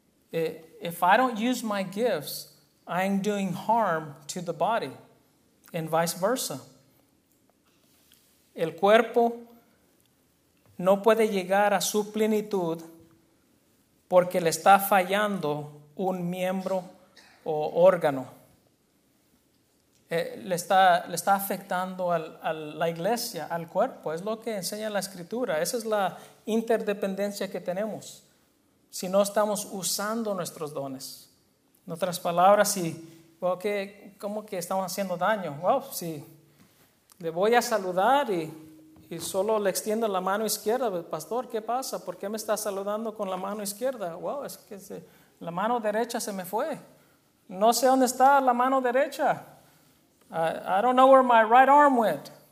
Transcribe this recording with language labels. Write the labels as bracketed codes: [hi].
[en] If I don't use my gifts, I'm doing harm to the body, and vice versa. [es] El cuerpo no puede llegar a su plenitud porque le está fallando un miembro o órgano. Le está afectando a la iglesia, al cuerpo. Es lo que enseña la Escritura. Esa es la interdependencia que tenemos. Si no estamos usando nuestros dones. En otras palabras, ¿cómo que estamos haciendo daño? Si le voy a saludar y solo le extiendo la mano izquierda. Pastor, ¿qué pasa? ¿Por qué me está saludando con la mano izquierda? Es que la mano derecha se me fue. No sé dónde está la mano derecha. [en] I don't know where my right arm went.